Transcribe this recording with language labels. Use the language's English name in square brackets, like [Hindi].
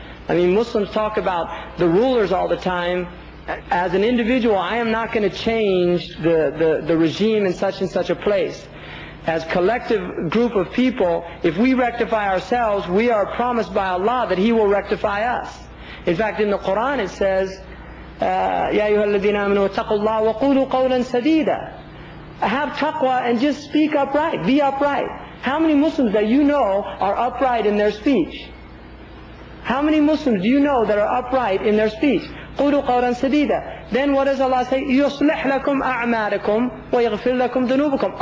[English] I mean, Muslims talk about the rulers all the time. As an individual, I am not going to change the regime in such and such a place. As collective group of people, if we rectify ourselves, we are promised by Allah that He will rectify us. In fact, in the Quran it says, [Arabic] يَا أَيُّهَا الَّذِينَ آمَنُوا وَاتَّقُوا اللَّهَ وَقُولُوا قَوْلًا سَدِيدًا. [English] Have taqwa and just speak upright, be upright. How many Muslims that you know are upright in their speech? How many Muslims do you know that are upright in their speech? [Arabic] قُلُوا قَوْلًا سَدِيدًا. [English] Then what does Allah say? [Arabic] يُصْلِحْ لَكُمْ أَعْمَالَكُمْ وَيَغْفِرْ لَكُمْ ذُنُوبَكُمْ.